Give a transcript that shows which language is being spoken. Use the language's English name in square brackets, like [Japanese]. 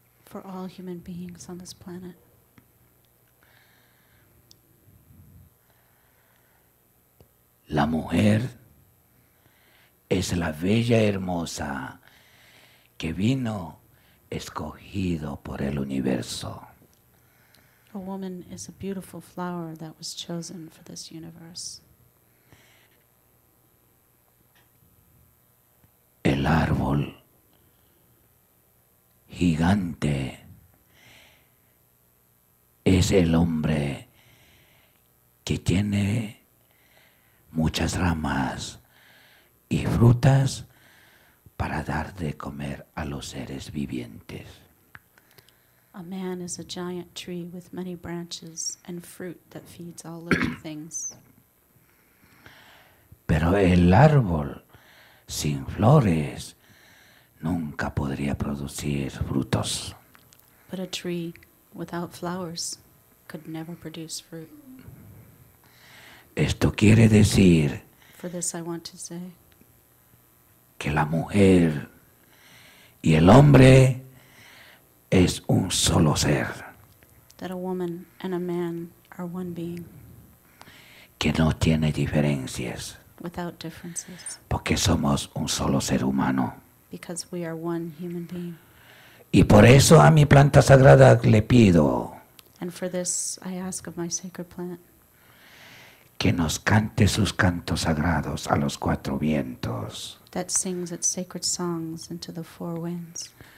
[English] For all human beings on this planet. [Spanish] La mujer es la bella hermosa que vino escogido por el universo. [English] A woman is a beautiful flower that was chosen for this universe. [Spanish] El árbol gigante es el hombre que tiene muchas ramas y frutas para dar de comer a los seres vivientes. [English] A man is a giant tree with many branches and fruit that feeds all living things. [Spanish] Pero el árbol sin flores nunca podría producir frutos. [English] But a tree without flowers could never produce fruit. [Spanish] Esto quiere decir, [English] for this I want to say, [Spanish] que la mujer y el hombre es un solo ser. [English] That a woman and a man are one being. [Spanish] Que no tiene diferencias. [English] Without differences. [Spanish] Porque somos un solo ser humano. [English] Because we are one human being. [Spanish] Y por eso a mi planta sagrada le pido. [English] And for this I ask of my sacred plant. [Spanish] Que nos cante sus cantos sagrados a los cuatro vientos. [English] That sings its sacred songs into the four winds.